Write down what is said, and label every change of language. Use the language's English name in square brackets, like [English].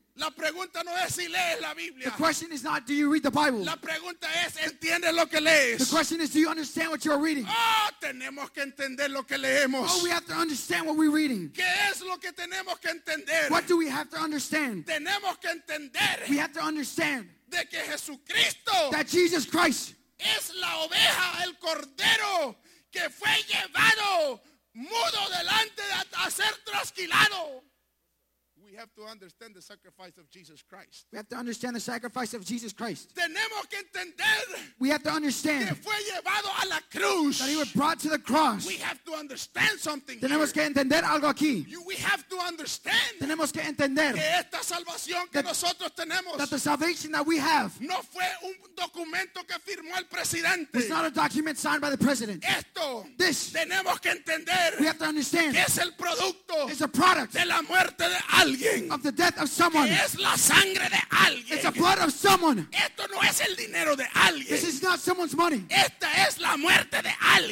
[Spanish] La pregunta no es si lees la Biblia. [English] The question is not, do you read the Bible? [Spanish] La pregunta es, ¿entiendes lo que lees? [English] The question is, do you understand what you are reading? [Spanish] Oh, tenemos que entender lo que leemos. [English] Oh, we have to understand what we're reading. [Spanish] ¿Qué es lo que tenemos que entender? [English] What do we have to understand? [Spanish] Tenemos que entender. [English] We have to understand. [Spanish] De que Jesucristo. [English] That Jesus Christ. [Spanish] Es la oveja, el cordero, que fue llevado mudo delante de a ser trasquilado. [English] We have to understand the sacrifice of Jesus Christ. We have to understand the sacrifice of Jesus Christ. [Spanish] Tenemos que entender. [English] We have to understand. [Spanish] Que fue llevado a la cruz. [English] That he was brought to the cross. We have to understand something. [Spanish] Tenemos [English] here. [Spanish] Que entender algo aquí. [English] We have to understand. [Spanish] Tenemos que entender. Que esta salvación que nosotros tenemos. [English] That the salvation that we have. [Spanish] No fue un documento que firmó el presidente. [English] It's not a document signed by the president. [Spanish] Esto. [English] This. [Spanish] Tenemos que entender. [English] We have to understand. [Spanish] Que es el producto. [English] It's a product. [Spanish] De la muerte de [English] of the death of someone. [Spanish] Es la sangre de alguien. [English] It's the blood of someone. [Spanish] Esto no es el dinero de alguien. [English] This is not someone's money. [Spanish] Esta es la muerte de alguien.